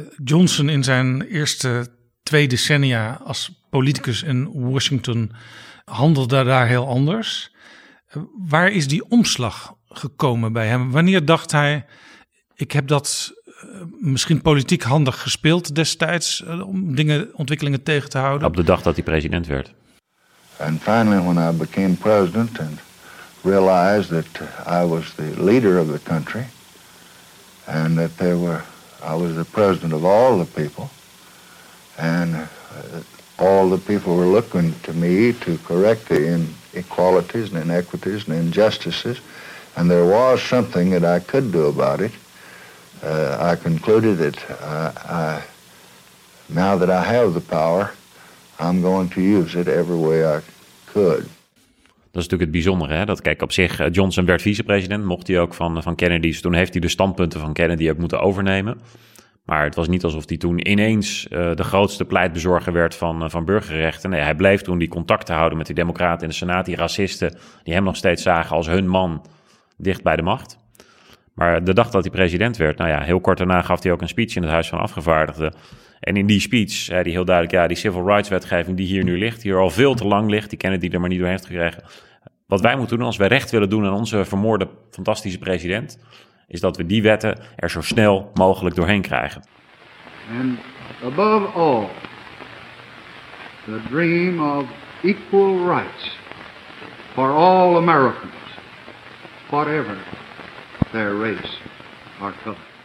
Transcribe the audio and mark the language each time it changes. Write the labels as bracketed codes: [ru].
[nl] Johnson in zijn eerste 2 decennia als politicus in Washington handelde daar heel anders. Waar is die omslag gekomen bij hem? Wanneer dacht hij, ik heb dat misschien politiek handig gespeeld destijds om dingen, ontwikkelingen tegen te houden? Op de dag dat hij president werd. [en] And finally, when I became president and realized that I was the leader of the country and that I was the president of all the people, and all the people were looking to me to correct the inequalities and inequities and injustices, and there was something that I could do about it. I concluded that now that I have the power, I'm going to use it every way I could. [nl] Dat is natuurlijk het bijzondere, hè? Dat kijk op zich, Johnson werd vicepresident, mocht hij ook van Kennedy. Dus toen heeft hij de standpunten van Kennedy ook moeten overnemen. Maar het was niet alsof hij toen ineens de grootste pleitbezorger werd van burgerrechten. Nee, hij bleef toen die contacten houden met die democraten in de Senaat, die racisten, die hem nog steeds zagen als hun man dicht bij de macht. Maar de dag dat hij president werd, nou ja, heel kort daarna gaf hij ook een speech in het Huis van Afgevaardigden. En in die speech zei hij heel duidelijk, ja, die civil rights wetgeving die hier nu ligt, hier al veel te lang ligt, die Kennedy er maar niet door heeft gekregen. Wat wij moeten doen als wij recht willen doen aan onze vermoorde fantastische president, is dat we die wetten er zo snel mogelijk doorheen krijgen. [en] And above all, the dream of equal rights for all Americans, whatever their race or color.